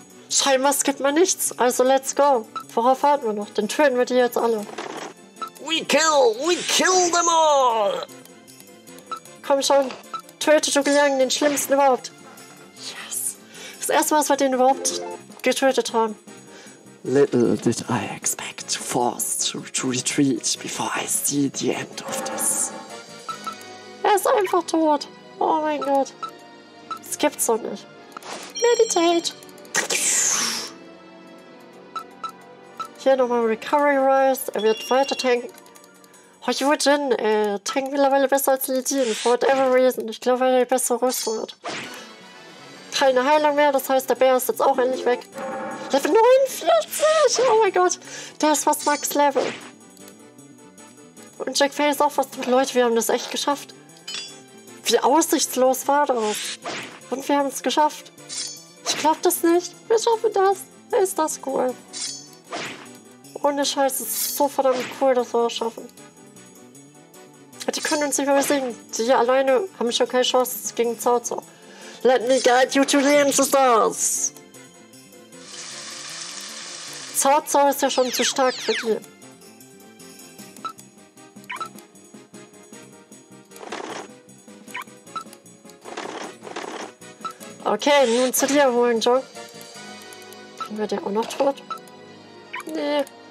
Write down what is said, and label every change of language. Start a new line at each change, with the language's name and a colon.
German: Scheinbar skippt man nichts. Also
English: let's go.
German: Worauf warten wir noch? Dann töten wir die jetzt alle.
English: We kill them all.
German: Komm schon. Töte Zhuge Liang, den schlimmsten überhaupt. Yes. Das erste Mal, dass wir den überhaupt getötet haben.
English: Little did I expect to force to retreat before I see the end of this.
German: Er ist einfach tot. Oh mein Gott. Das gibt's doch nicht. Meditate. Hier nochmal Recovery Rise. Er wird weiter tanken. Oh, Yue Jin, tankt mittlerweile besser als Li Jin,
English: for whatever reason.
German: Ich glaube, er hat eine bessere Rüstung. Hat. Keine Heilung mehr, das heißt, der Bär ist jetzt auch endlich weg. Level 49! Oh mein Gott, der ist fast Max Level. Und Zhang Fei ist auch fast... Leute, wir haben das echt geschafft. Wie aussichtslos war das? Und wir haben es geschafft. Ich glaub das nicht. Wir schaffen das. Ist das cool. Ohne Scheiß, es ist so verdammt cool, dass wir es schaffen. Die können uns nicht mehr besiegen. Die alleine haben schon keine Chance gegen Zauzo.
English: Let me guide you to the ancestors.
German: Zauzo ist ja schon zu stark für die. Okay, nun zu dir holen, John. Bin wir der auch noch tot? Nee.